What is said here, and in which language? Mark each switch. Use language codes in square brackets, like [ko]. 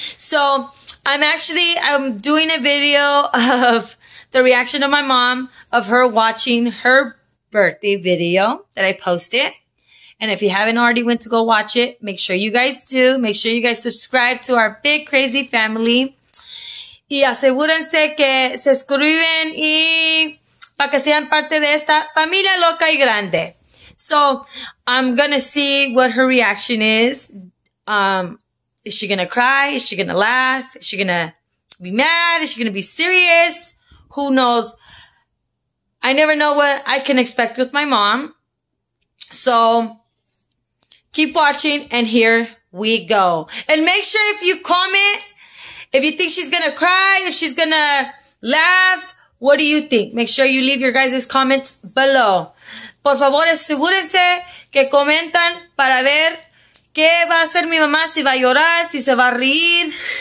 [en] So I'm doing a video of the reaction of my mom of her watching her birthday video that I posted. And if you haven't already went to go watch it, make sure you guys do. Make sure you guys subscribe to our big crazy family. [es] Y asegúrense que se suscriben y para que sean parte de esta familia loca y grande. [en] So I'm gonna see what her reaction is. Is she gonna cry? Is she gonna laugh? Is she gonna be mad? Is she gonna be serious? Who knows? I never know what I can expect with my mom. So keep watching and here we go. And make sure if you comment, if you think she's gonna cry, if she's gonna laugh, what do you think? Make sure you leave your guys' comments below. [es] Por favor, asegúrense que comentan para ver qué va a hacer mi mamá, si va a llorar, si se va a reír.